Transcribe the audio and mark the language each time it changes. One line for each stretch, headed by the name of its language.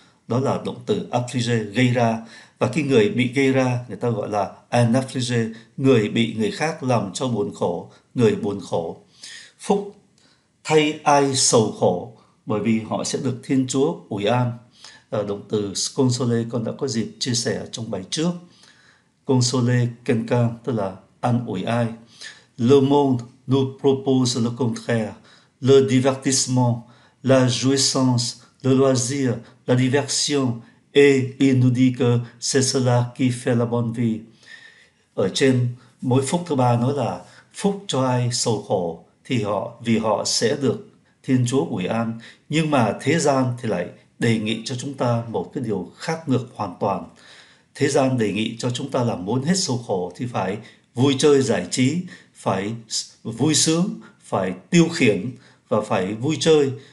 Vietnamese: Đó là động từ affliger gây ra. Và cái người bị gây ra, người ta gọi là an affligé, người bị người khác làm cho buồn khổ, người buồn khổ. Phúc thay ai sầu khổ, bởi vì họ sẽ được Thiên Chúa ủi an. Động từ console con đã có dịp chia sẻ trong bài trước.
French: Console quelqu'un,
Vietnamese: tức là an ủi ai.
French: Le monde nous propose le contraire, le divertissement, la jouissance, le loisir, la diversion. Et il nous dit que c'est cela qui fait la bonne vie.
Vietnamese: Ở trên mỗi phúc thứ ba nói là phúc cho ai sầu khổ thì họ vì họ sẽ được Thiên Chúa ủi an. Nhưng mà thế gian thì lại đề nghị cho chúng ta một cái điều khác ngược hoàn toàn. Thế gian đề nghị cho chúng ta là muốn hết sầu khổ thì phải vui chơi giải trí, phải vui sướng, phải tiêu khiển và phải vui chơi.